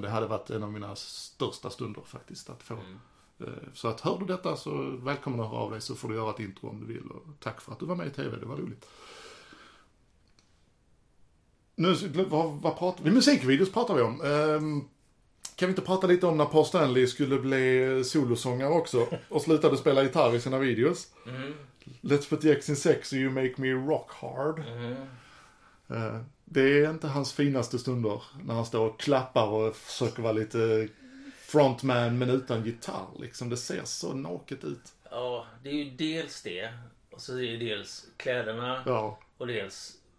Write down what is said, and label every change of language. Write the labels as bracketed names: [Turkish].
[Swedish] Det hade varit en av mina största stunder faktiskt att få. Så att hör du detta så välkommen att höra av dig, så får du göra ett intro om du vill. Och tack för att du var med i tv, det var roligt. Nu, vad pratar vi? Musikvideos pratar vi om. Kan vi inte prata lite om när Paul Stanley skulle bli solosångare också och slutade spela gitarr i sina videos? Mm. [English] Let's put the X in sex, you make me rock hard. Mm. [Swedish] Det är inte hans finaste stunder när han står och klappar och försöker vara lite frontman men utan gitarr. Liksom, det ser så naket ut. Ja, det är ju dels det. Och så är det ju dels kläderna. Ja. Och dels...